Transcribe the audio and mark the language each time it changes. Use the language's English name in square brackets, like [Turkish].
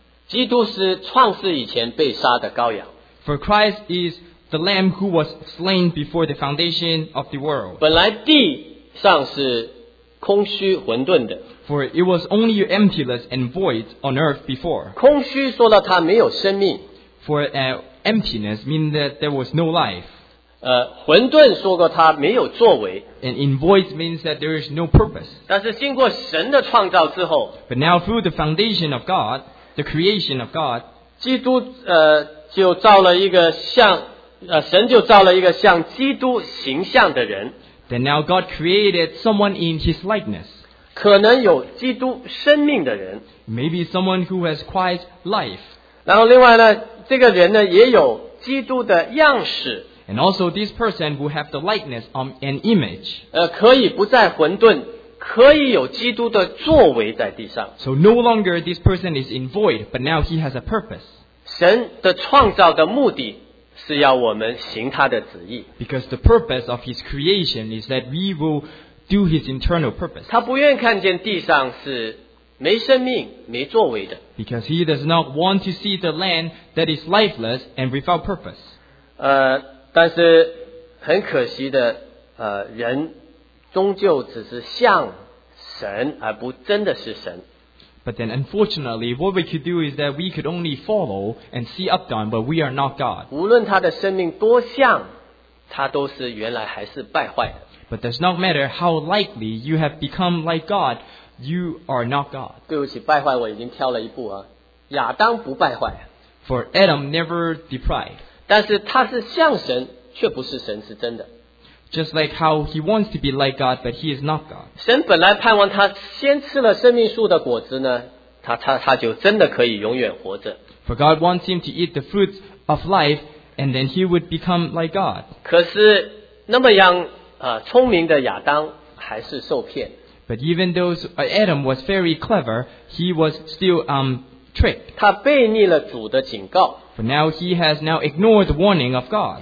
[Chinese] 基督是创世以前被杀的羔羊。 [English] For Christ is the Lamb who was slain before the foundation of the world. [Chinese] 本来地上是空虚混沌的。 [English] For it was only emptiless and void on earth before. [Chinese] 空虚说到它没有生命。 [English] For emptiness means that there was no life. [Chinese] 混沌说过它没有作为。 [English] And in void means that there is no purpose. [Chinese] 但是经过神的创造之后。 [English] But now through the foundation of God, the creation of God, [Chinese] 基督, 就造了一个像 神就造了一个像基督形象的人。 [English] Then now God created someone in his likeness. [Chinese] 可能有基督生命的人。 [English] Maybe someone who has Christ life. [Chinese] 然后另外呢, 这个人呢, 也有基督的样式。 [English] And also this person who have the likeness of an image. [Chinese] 可以不再混沌, 可以有基督的作为在地上。 [English] So no longer this person is in void, but now he has a purpose. [Chinese] 神的创造的目的, 是要我们行他的旨意。 [English] Because the purpose of his creation is that we will do his internal purpose. [Chinese] 他不愿看见地上是没生命,没作为的。 [English] Because he does not want to see the land that is lifeless and without purpose. [Chinese] 但是很可惜的, 人终究只是像神而不真的是神。 [English] But then unfortunately, what we could do is that we could only follow and see up done, but we are not God. [Chinese] 无论他的生命多像, 他都是原来还是败坏的。 [English] But does not matter how likely you have become like God, you are not God. [Chinese] 对不起, 败坏我已经挑了一步啊, 亚当不败坏。 [English] For Adam never deprived. [Chinese] 但是他是像神, 却不是神, 是真的。 [English] Just like how he wants to be like God, but he is not God. [Chinese] 神本来盼望他先吃了生命树的果子呢, 他就真的可以永远活着。 [English] For God wants him to eat the fruits of life, and then he would become like God. [Chinese] 可是那么样, 聪明的亚当还是受骗。 [English] But even though Adam was very clever, he was still tricked. [Chinese] 他背逆了主的警告。 [English] But now he has now ignored the warning of God.